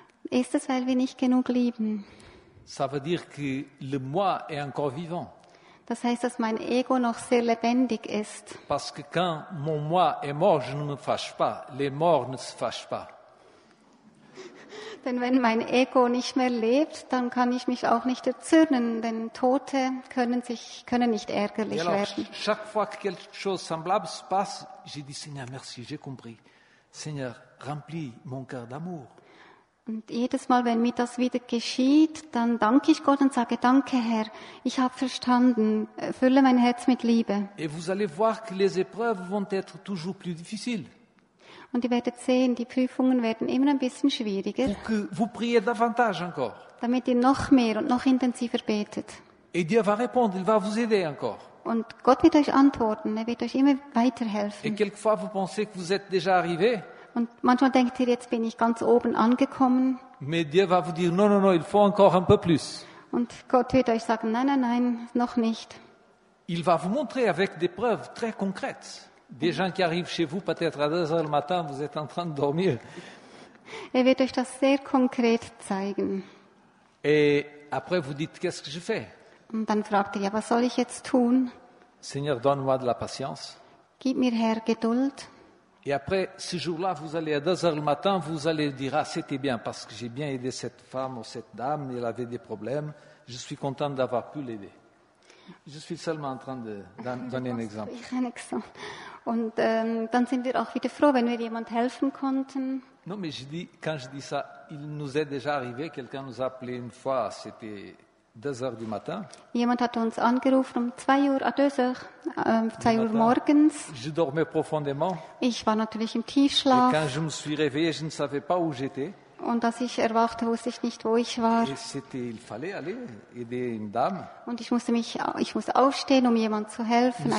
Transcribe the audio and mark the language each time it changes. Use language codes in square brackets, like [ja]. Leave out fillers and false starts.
[de] Ist es, weil wir nicht genug lieben? [fr] Ça veut dire que le moi est encore vivant. [de] Das heißt, dass mein Ego noch sehr lebendig ist. [fr] Parce que quand mon moi est mort, je ne me fâche pas. Les morts ne se fâchent pas. [de] Denn wenn mein Ego nicht mehr lebt, dann kann ich mich auch nicht erzürnen, denn Tote können nicht ärgerlich [fr] alors, [de] werden. [fr] Chaque fois que quelque chose semblable se passe, j'ai dit Seigneur, merci, j'ai compris. Seigneur, remplis mon cœur d'amour. [de] Und jedes Mal, wenn mir das wieder geschieht, dann danke ich Gott und sage, danke Herr, ich habe verstanden, fülle mein Herz mit Liebe. [fr] Et vous allez voir que les épreuves vont être toujours plus difficiles. [de] Und ihr werdet sehen, die Prüfungen werden immer ein bisschen schwieriger. [fr] Pour que vous priez davantage encore. [de] Damit ihr noch mehr und noch intensiver betet. [fr] Et Dieu va répondre, il va vous aider encore. [de] Und Gott wird euch antworten, er wird euch immer weiterhelfen. [fr] Et quelquefois vous pensez que vous êtes déjà arrivé. [de] Und manchmal denkt ihr, jetzt bin ich ganz oben angekommen. [fr] Mais Dieu va vous dire, non, non, non, il faut encore un peu plus. [de] Und Gott wird euch sagen, nein, nein, nein, noch nicht. [fr] Il va vous montrer avec des preuves très concrètes. Des gens qui arrivent chez vous peut-être à 2 heures le matin, vous êtes en train de dormir. [de] Er wird euch das sehr konkret zeigen. [fr] Et après vous dites qu'est-ce que je fais? [de] Und dann fragt ihr, ja, was soll ich jetzt tun? [fr] Seigneur, donne-moi de la patience. [de] Gib mir Herr Geduld. [fr] Et après ce jour-là, vous allez à 2 heures le matin, vous allez dire ah, c'était bien parce que j'ai bien aidé cette femme ou cette dame, elle avait des problèmes, je suis content d'avoir pu l'aider. Je suis seulement en train de donner un exemple. [de] Ich ein Exempel. Und dann sind wir auch wieder froh, wenn wir jemand helfen konnten. [fr] Non, mais quand je dis ça, il nous est déjà arrivé, quelqu'un nous a appelé une fois, c'était 2h du matin. [de] Jemand hat uns angerufen um 2 Uhr, [fr] à [de] 2 Uhr morgens. [fr] Je dormais profondément. [de] Ich war natürlich im Tiefschlaf. [fr] Et quand je me suis réveillé, je ne savais pas où j'étais. [de] Und als ich erwachte, wusste ich nicht, wo ich war. Il fallait aller aider une dame. Und ich musste aufstehen, um jemand zu helfen,